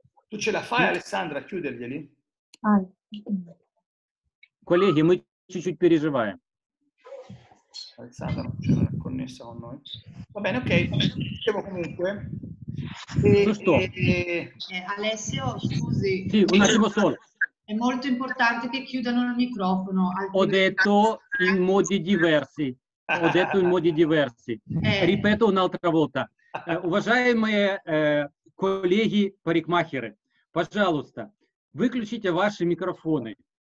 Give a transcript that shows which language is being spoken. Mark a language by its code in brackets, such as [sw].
[it] Tu ce la fai, Alessandra, a chiuderglieli? [ru] Коллеги, мы чуть-чуть переживаем. [it] Александр, connessa con noi. Va bene, ok. Dicevo comunque. [ru] Ну что? [it] Alessio, scusi. Sì, un attimo solo. È molto importante che chiudano il microfono. Ho detto in modi diversi. Ho detto in modi diversi. Ripeto un'altra volta. [ru] Уважаемые коллеги парикмахеры, пожалуйста, выключите ваши микрофоны.